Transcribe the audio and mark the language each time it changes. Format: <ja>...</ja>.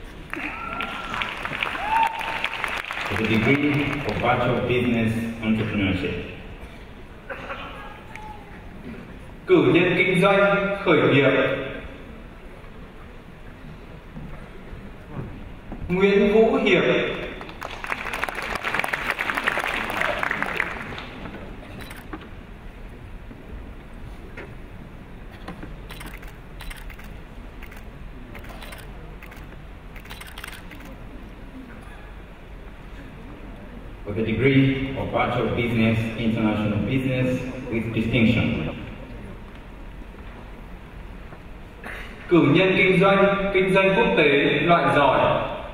<en>For the degree of Bachelor of Business Entrepreneurship.</en> <vi>Cử nhân kinh doanh khởi nghiệp. Nguyễn Vũ Hiệp.</vi> <en>with a degree of Bachelor of Business, International Business with distinction.</en> <vi>Cử nhân kinh doanh quốc tế loại giỏi.</vi>